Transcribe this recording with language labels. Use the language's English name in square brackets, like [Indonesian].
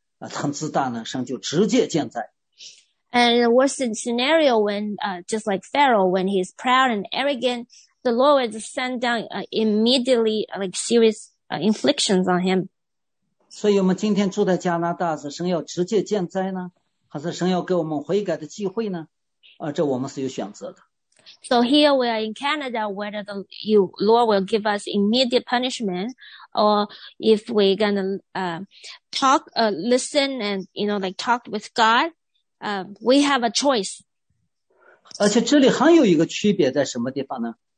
[Chinese] 那更糟糕的情况下，法老那样心很硬、很骄傲呢、很自大呢，神就直接见在。 [English] And the worst scenario when, just like Pharaoh, when he's proud and arrogant, the Lord would send down immediately like serious inflictions on him. [Chinese] 所以我们今天住在加拿大，是神要直接见灾呢，还是神要给我们悔改的机会呢？这我们是有选择的。 [English] So here we are in Canada, whether the Lord will give us immediate punishment, or if we're going to talk, listen and, you know, like talk with God, we have a choice. [Chinese] 而且这里还有一个区别在什么地方呢?